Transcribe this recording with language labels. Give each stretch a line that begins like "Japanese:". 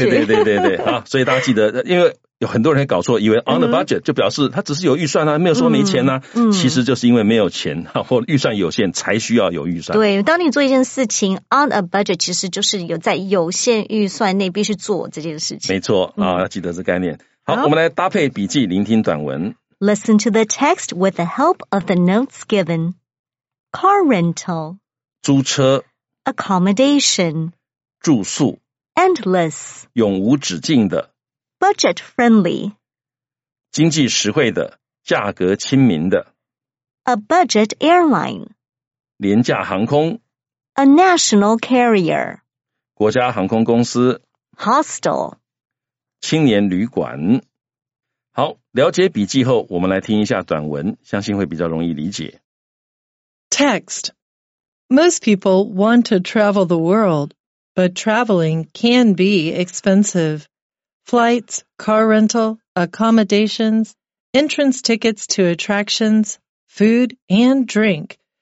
Chinese: 对对对对对啊，所以大家记得，因为有很多人搞错，以为 on the budget 就表示他只是有预算啊，没有说没钱啊。其实就是因为没有钱或预算有限，才需要有预算。对，当你做一件事情 on a budget， 其实就是有在有限预算内必须做这件事情。没错啊，要记得这概念。好，我们来搭配笔记，聆听短文。
English: Listen to the text with the help of the notes given. Car rental，
Chinese: 租车。
English: Accommodation，
Chinese: 住宿。
English: Endless，
Chinese: 永无止境的。
English: Budget friendly，
Chinese: 经济实惠的，价格亲民的。
English: A budget airline，
Chinese: 廉价航空。
English: A national carrier，
Chinese: 国家航空公司。
English: Hostel，
Chinese: 青年旅馆。好，了解笔记后，我们来听一下短文，相信会比较容易理解。
English: Text: Most people want to travel the world, but traveling can be expensive. Flights, car rental, accommodations, entrance tickets to attractions, food and drink.